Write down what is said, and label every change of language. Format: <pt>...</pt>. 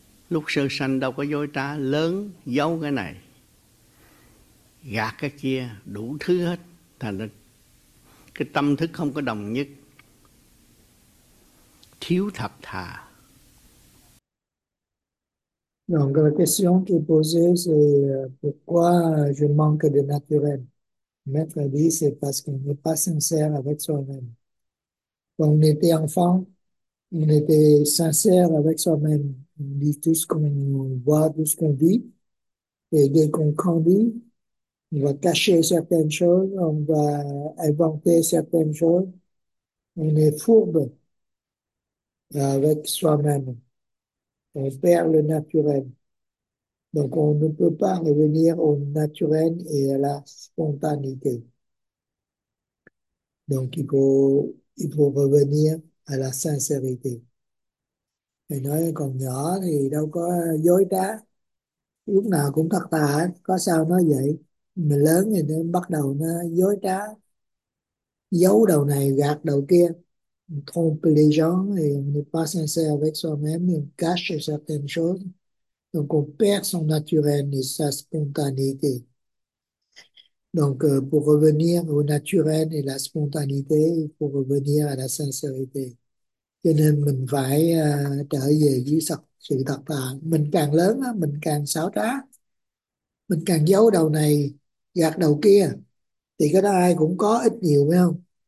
<vi>Lúc sơ sanh đâu có dối trá, lớn giấu cái này gạt cái kia đủ thứ hết, thành ra cái tâm thức không có đồng nhất, thiếu thật thà.</vi> <fr>Donc, la question qui est posée, c'est pourquoi je manque de naturel. Maître dit, c'est parce qu'on n'est pas sincère avec soi-même. Quand on était enfant, on était sincère avec soi-même. On dit tout ce qu'on voit, tout ce qu'on dit. Et dès qu'on grandit, on va cacher certaines choses, on va inventer certaines choses. On est fourbe avec soi-même. On perd le naturel. Donc, on ne peut pas revenir au naturel et à la spontanéité. Donc, il faut revenir à la sincérité.</fr> <vi>Et nói còn nhỏ thì đâu có dối trá. Lúc nào cũng thật thà, có sao nói vậy. Mình lớn thì nên bắt đầu nó dối trá. Giấu đầu này, gạt đầu kia.</vi> <fr>Trompe les gens et on n'est pas sincère avec soi-même, on cache certaines choses, donc on perd son naturel et sa spontanéité. Donc, pour revenir au naturel et la spontanéité, pour revenir à la sincérité,</fr> <vi>cho nên mình phải trở về với sự thật là mình càng lớn, mình càng xảo trá, mình càng giấu đầu này, gạt đầu kia, thì cái đó ai cũng có ít nhiều, phải không?</vi>